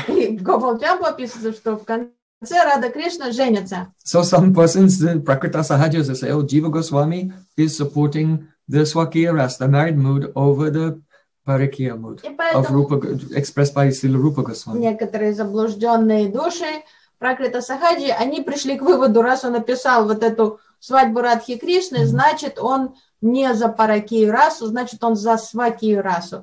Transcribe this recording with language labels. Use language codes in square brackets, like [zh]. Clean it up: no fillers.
[ru] И Гопал Чампу описывается, что в конце Радха Кришна женится. [en] So some persons, the Prakrita Sahajas, they say, oh, Jiva Goswami is supporting the Swakya Ras, the married mood, over the Parikya mood, of Rupa, expressed by Srila Rupa Goswami. [ru] Некоторые заблужденные души Пракрита Сахаджи, они пришли к выводу, раз он написал вот эту свадьбу Радхи Кришны, значит, он не за Паракию расу, значит, он за Свакию расу.